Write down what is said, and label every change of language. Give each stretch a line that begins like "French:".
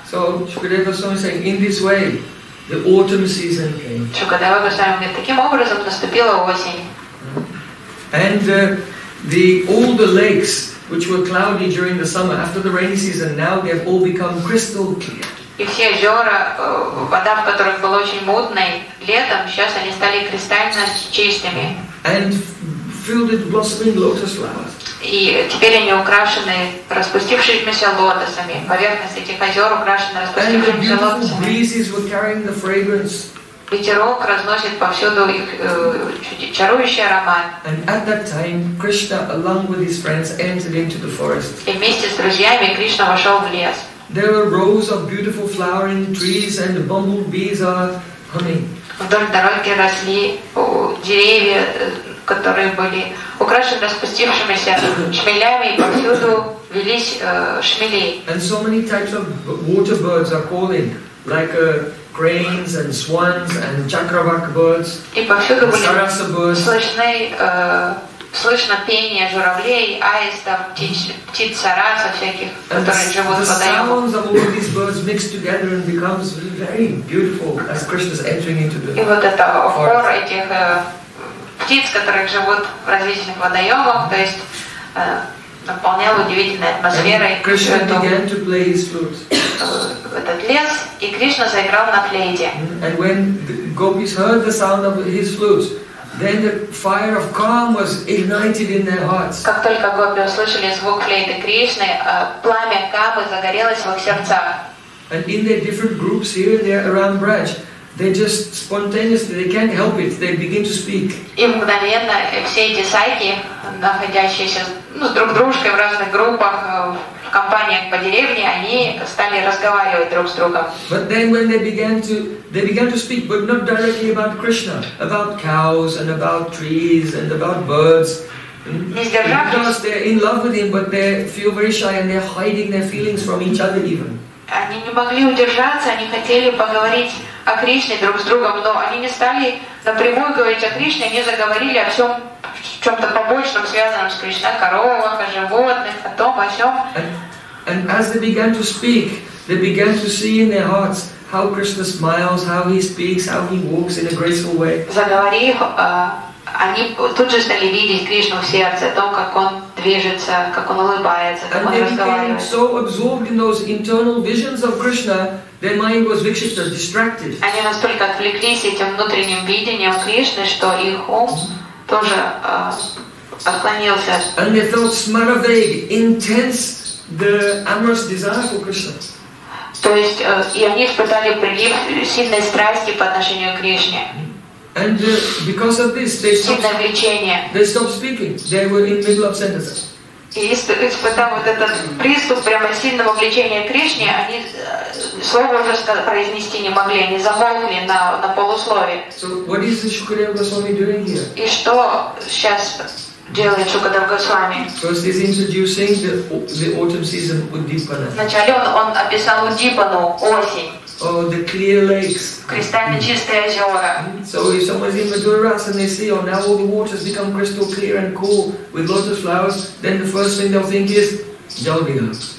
English: So Shukadeva Goswami saying, in this way, the autumn season came.
Russian: Шукадева Госвами говорит, таким образом наступила осень.
English: And all the lakes which were cloudy during the summer, after the rainy season, now they have all become crystal clear.
Russian: И все озера, вода в которых была очень мутной летом, сейчас они стали кристально чистыми.
English: And filled with blossoming lotus flowers.
Russian: И теперь они украшены распустившимися лотосами. Поверхность этих озер украшена распустившимися лотосами.
English: And the beautiful breezes were carrying the fragrance.
Russian: Ветерок разносит повсюду их чарующий аромат.
English: And at that time, Krishna, along with his friends, entered into the forest.
Russian: И вместе с друзьями Кришна вошел в лес.
English: There were rows of beautiful flowering trees, and the bumblebees are humming.
Russian: Вдоль дороги росли деревья, которые были украшены распустившимися шмелями, и повсюду велись шмели.
English: And so many types of water birds are calling, like a cranes and swans and chakravak birds.
Russian: И повсюду были
English: sarasa birds.
Russian: Слышно пение журавлей, аистов, птиц сараса всяких, которые живут под
English: The sounds of all these birds mixed together and becomes very beautiful as Krishna's entering into the
Russian: И вот это хор этих птиц, которые живут в различных водоемах, то есть наполнял удивительной атмосферой.
English: Krishna began to play his flute.
Russian: Этот лес, и Кришна заиграл на флейте.
English: And when the gopis heard the sound of his flute, then the fire of calm was ignited in their hearts.
Russian: Как только гопи услышали звук флейты Кришны, пламя камы загорелось в их сердцах.
English: And in their different groups here and there around Braj, they just spontaneously, they can't help it, they begin to speak.
Russian: И мгновенно все эти сайки, находящиеся друг с дружкой в разных группах, в компаниях по деревне, они стали разговаривать друг с другом.
English: But then when they began to speak, but not directly about Krishna, about cows and about trees and about birds. Because they're in love with him, but they feel very shy and they're hiding their feelings from each other even.
Russian: Они не могли удержаться, они хотели поговорить о Кришне друг с другом, но они не стали напрямую говорить о Кришне, они заговорили о всем чем-то побочном, связанном с Кришной, о коровах, о животных, о том, о сём.
English: And as they began to speak, they began to see in their hearts how Krishna smiles, how he speaks, how he walks in a graceful way.
Russian: Заговорив, они тут же стали видеть Кришну в сердце, то, как он движется, как он улыбается, как он разговаривает.
English: And they became so absorbed in those internal visions of Krishna, their mind was vikshipta, distracted.
Russian: Они настолько отвлеклись этим внутренним видением Кришны, что их ум тоже отклонился.
English: And they felt smaravag, intense, the amorous desire for Krishna.
Russian: То есть, и они испытали прилив сильной страсти по отношению к Кришне.
English: And because of this, they stopped speaking. They were in the middle of sentences.
Russian: испытав вот этот приступ прямо сильного влечения к Кришне, они слова уже произнести не могли, они замолкли на полуслове.
English: So what is the Shukadev Goswami doing here?
Russian: И что сейчас делает Шукадев Госвами?
English: So he's introducing the autumn season with Дипана.
Russian: Вначале он описал Дипану осень.
English: Oh, the clear lakes.
Russian: Кристально чистые озера.
English: So if someone's in Madura Rasa and they see, oh, now all the waters become crystal clear and cool with lots of flowers, then the first thing they'll think is Jalbina.